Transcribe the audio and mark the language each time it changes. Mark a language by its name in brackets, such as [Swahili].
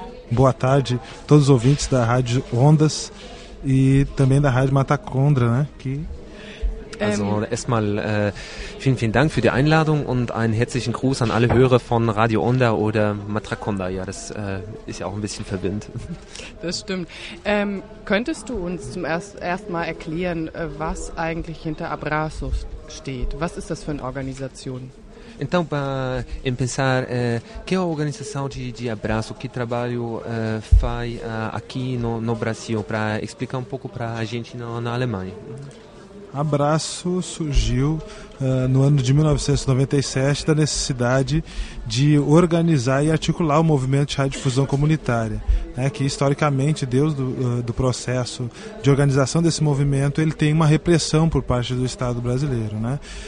[Portuguese] Boa tarde a todos os ouvintes da Rádio Ondas e também da Rádio Matraconda, né? Que... [German] Also erstmal vielen, vielen Dank für die Einladung und einen herzlichen Gruß an alle Hörer von Radio Onda oder Matraconda. Ja, das ist ja auch ein bisschen verwirrend. Das stimmt. Könntest du uns zum erst mal erklären, was eigentlich hinter Abraço steht? Was ist das für eine Organisation? [Portuguese] Então, para começar, que é a organização de Abraço, que trabalho faz aqui no Brasil, para explicar um pouco para a gente na Alemanha? Abraço surgiu no ano de 1997 da necessidade de organizar e articular o movimento de radiodifusão comunitária, né, que historicamente, desde do processo de organização desse movimento, ele tem uma repressão por parte do Estado brasileiro, né?